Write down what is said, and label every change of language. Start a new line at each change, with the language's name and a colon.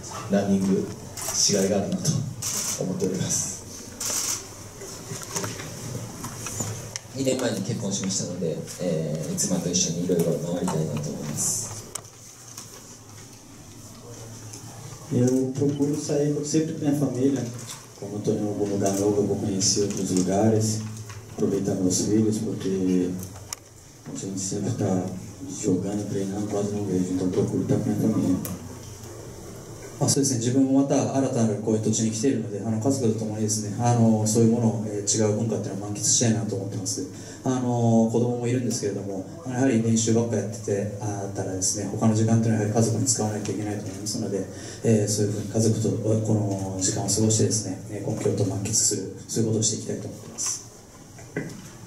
Japanese: ランニングしがいがあるなと思っております。 2年前に結婚しましたので、妻と一緒にいろいろ回りたいなと思います。
Portuguese: Eu procuro sair sempre com a minha família, como estou em algum lugar novo, eu vou conhecer outros lugares, aproveitar meus filhos, porque a gente sempre está jogando, treinando, quase não vejo, então procuro estar com a minha família.
Japanese: あ、そうですね。自分もまた新たなこういう土地に来ているので、家族とともにですね、そういうものを、違う文化っていうのを満喫したいなと思ってます。子供もいるんですけれども、やはり練習ばっかやっててあったらですね、他の時間というのはやはり家族に使わないといけないと思いますので、そういうふうに家族とこの時間を過ごしてですね、この京都を満喫する、そういうことをしていきたいと思ってます。